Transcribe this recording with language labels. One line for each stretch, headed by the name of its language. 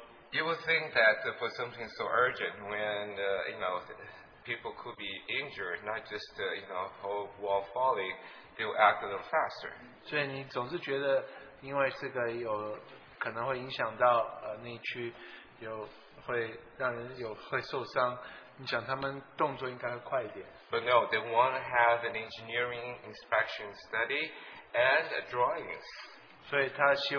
English: You would think that for something so urgent, when you know people could be injured, not just you know whole wall falling, they would act a little faster.
Chinese: 所以你总是觉得，因为这个有可能会影响到那区，有会让人有会受伤，你想他们动作应该会快一点。
English: But no, they want to have an engineering inspection study and drawings.